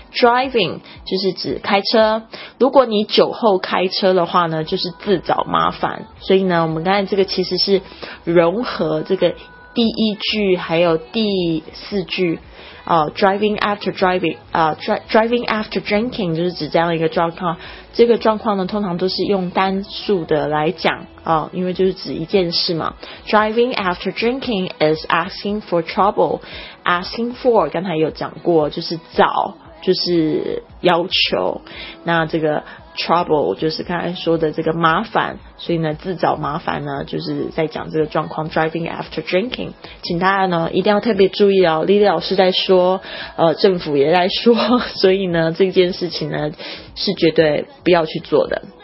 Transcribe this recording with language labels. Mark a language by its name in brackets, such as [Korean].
[Chinese] Driving 就是指开车，如果你酒后开车的话呢，就是自找麻烦，所以呢，我们刚才这个其实是融合这个第一句还有第四句 [English] driving after drinking [Chinese] 就是指这样一个状况，这个状况呢通常都是用单数的来讲因为就是指一件事嘛。 [English] driving after drinking is asking for trouble. [Chinese] Asking for 刚才有讲过，就是找，就是要求，那这个 trouble 就是刚才说的这个麻烦，所以呢自找麻烦呢就是在讲这个状况 [English] driving after drinking。 [Chinese] 请大家呢一定要特别注意哦， Lily 老师在说政府也在说，所以呢这件事情呢是绝对不要去做的。